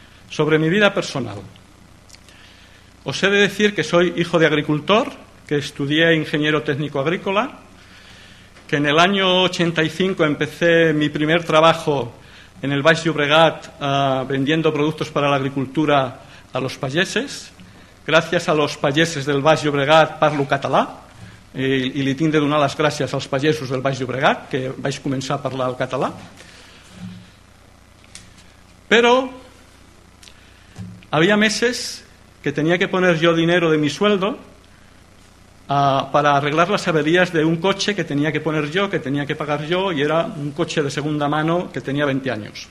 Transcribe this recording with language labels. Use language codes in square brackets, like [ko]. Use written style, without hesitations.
[es] Sobre mi vida personal. Os he de decir que soy hijo de agricultor, que estudié ingeniero técnico agrícola, que en el año 85 empecé mi primer trabajo en el Baix Llobregat, vendiendo productos para la agricultura a los pageses. Gracias a los pageses del Baix Llobregat [ca] parlo català i li tinc de donar les gràcies als pagesos del Baix Llobregat, que vaig començar a parlar el català. Però havia [es] meses que tenia que poner jo dinero de mi sueldo para arreglar las averías de un coche que tenía que poner yo, que tenía que pagar yo, y era un coche de segunda mano que tenía 20 años.